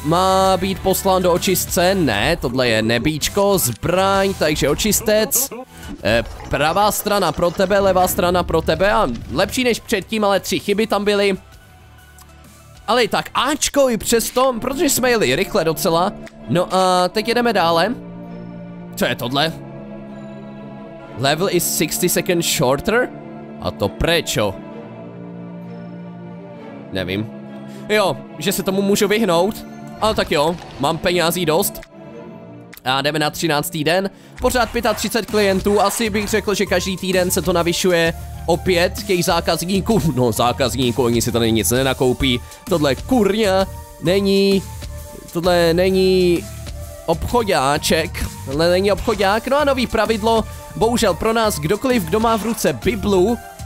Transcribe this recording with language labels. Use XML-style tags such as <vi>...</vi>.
<cs>Má být poslán do očistce? Ne, tohle je nebíčko, zbraň, takže očistec. Pravá strana pro tebe, levá strana pro tebe a lepší než předtím, ale tři chyby tam byly. Ale tak Ačko i přesto, protože jsme jeli rychle docela. No a teď jedeme dále. Co je tohle?</cs> <en>Level is 60 seconds shorter?</en> <sk>A to prečo?</sk> <cs>Nevím. Jo, že se tomu můžu vyhnout. Ale tak jo, mám penězí dost. A jdeme na 13. den, pořád 35 klientů, asi bych řekl, že každý týden se to navyšuje opět těch zákazníků, no zákazníků, oni si tady nic nenakoupí, tohle kurňa není, tohle není obchodáček, tohle není obchodák, no a nový pravidlo, bohužel pro nás kdokoliv, kdo má v ruce Biblu,</cs>